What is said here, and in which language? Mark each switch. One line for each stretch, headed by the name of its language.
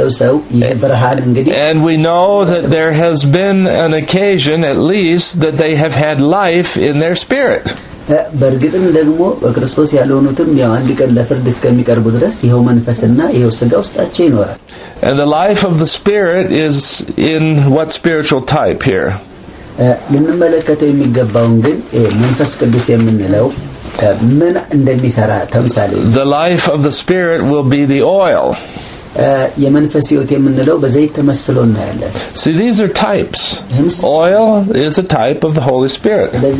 English: And we know that there has been an occasion, at least, that they have had life in their spirit.
Amharic: በርግጥም ደግሞ በክርስቶስ ያለውንም ያው አንድ ቀን ለፍርድ እስከሚቀርቡ ድረስ ይሄው መንፈስና ይሄው ስጋ ውስጣቸው ይኖራል።
English: And the life of the spirit is in what spiritual type here?
Amharic: ለምንመለከተው የሚገባውን ግን መንፈስ ቅዱስ የምንለው ምን እንደሚሰራ ተምሳሌ።
English: The life of the spirit will be the oil.
Amharic: የመንፈስ ህይወት የምንለው በዘይት ተመስሎ እናያለን።
English: So these are types. Oil is a type of the Holy Spirit.